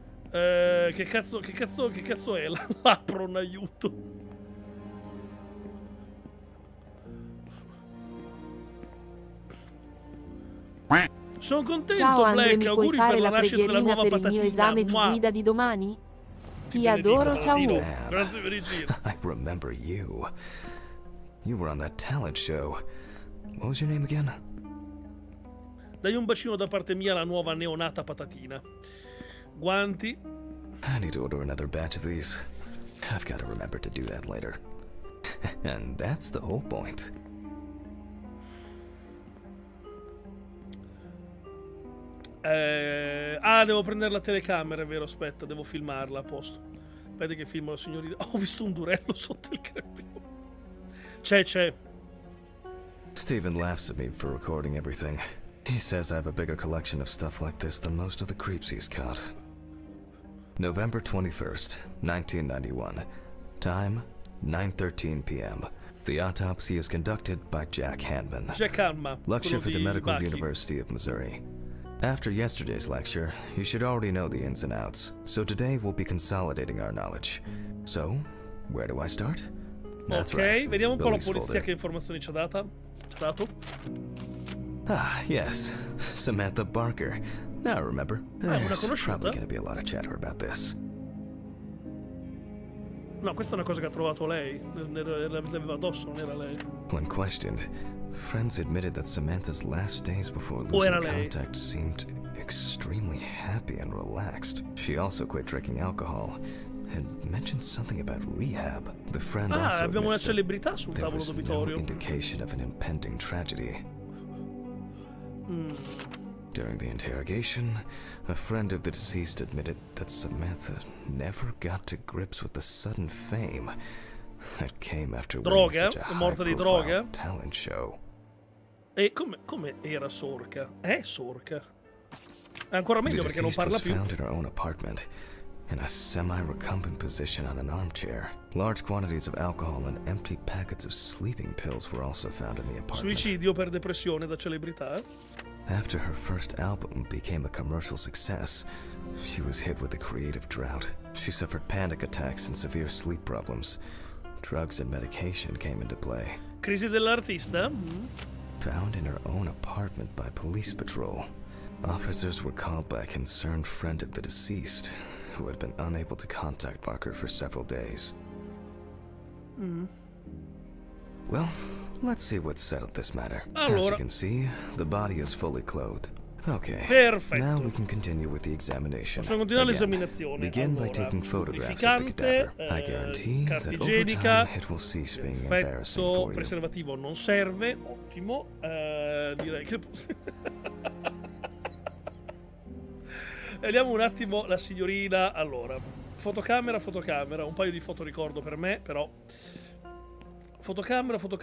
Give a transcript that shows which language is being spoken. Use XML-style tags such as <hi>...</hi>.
<it>Che cazzo è l'apron? Aiuto. Sono contento. Ciao Andre, mi puoi fare la preghierina per il mio esame di guida di domani? Ti adoro, ciao. Grazie per il giro.</it> <en>I remember you. You were on that talent show. What was your name again?</en> <it>Dai un bacino da parte mia alla nuova neonata patatina. Guanti.</it> <en>I need to order another batch of these. I've got to remember to do that later. And that's the whole point.</en> <it>Devo prendere la telecamera, è vero, aspetta, devo filmarla, a posto. Aspetta che filmo la signorina. Ho visto un durello sotto il carpino. C'è.</it> <en>Steven laughs at me for recording everything. He says I have a bigger collection of stuff like this than most of the creeps he's caught. November 21st, 1991. Time, 9:13 p.m. The autopsy is conducted by Jack Hanman. Jack Hanman. Lecture for the Medical Bucky. University of Missouri. After yesterday's lecture, you should already know the ins and outs. So today we'll be consolidating our knowledge. So, where do I start? That's okay, right.</en> <it>Vediamo un po' la polizia che informazioni ci ha data. Ci ha dato.</it> <en>Ah, yes. Samantha Barker. Now I remember. There's probably gonna be a lot of chatter about this.</en> <it>No, questa è una cosa che ha trovato lei. L'aveva addosso, non era lei.</it> <en>When questioned, friends admitted that Samantha's last days before losing contact seemed extremely happy and relaxed. She also quit drinking alcohol and mentioned something about rehab. The friend also</en> <it>abbiamo una celebrità sul tavolo d'obitorio.</it> <en>No indication of an impending tragedy. During the interrogation, a friend of the deceased admitted that Samantha never got to grips with the sudden fame that came after</en> <it>droga,</it> <en>winning such a high profile talent show.</en> <it>E come era sorca? È sorca. È ancora meglio perché non parla più.</it> <en>Found in her own apartment in a semi-recumbent position on an armchair. Large quantities of alcohol and empty packets of sleeping pills were also found in the apartment.</en> <it>Suicidio per depressione da celebrità.</it> <en>After her first album became a commercial success, she was hit with a creative drought. She suffered panic attacks and severe sleep problems. Drugs and medication came into play.</en> <it>Crisi dell'artista?</it> <en>Found in her own apartment by police patrol. Officers were called by a concerned friend of the deceased, who had been unable to contact Barker for several days. Well, let's see what settled this matter.</en> <it>Allora.</it> <en>As you can see, the body is fully clothed. Okay.</en> <it>Perfetto.</it> <en>Now we can continue with the examination.</en> <it>Possiamo continuare</it> <en>again,</en> <it>l'esaminazione.</it> <en>Begin</en> <it>allora,</it> <en>by taking photographs of the cadaver. I guarantee that over time it will cease being</en> <it>perfetto,</it> <en>embarrassing for you.</en> <it>Preservativo non serve. Ottimo. Direi che vediamo un attimo la signorina. Allora, fotocamera. Un paio di foto ricordo per me, però. Fotocamera.</it>